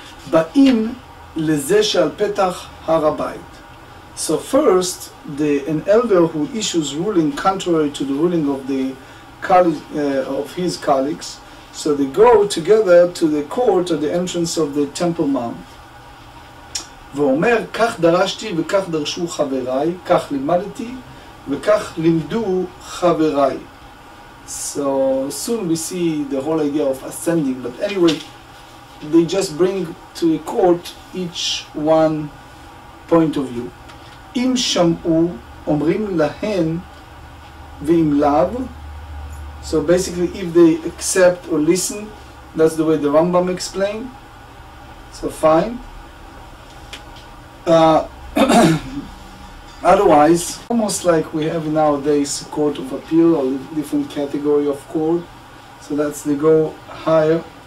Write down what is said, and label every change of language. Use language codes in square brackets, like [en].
[he] Ba'im leze she'al petach harabayit. [en] So first, an elder who issues ruling contrary to the ruling of the of his colleagues, so they go together to the court at the entrance of the Temple Mount. [he] ואומר, כך דרשתי וכך דרשו חבריי, כך לימדתי וכך לימדו חבריי. [en] So soon we see the whole idea of ascending, but anyway, they just bring to the court each one point of view. [he] אם שמעו, אומרים להן ואם לאו. [en] So basically, if they accept or listen, that's the way the Rambam explained. So fine. otherwise, almost like we have nowadays a court of appeal or a different category of court, so that's they go higher.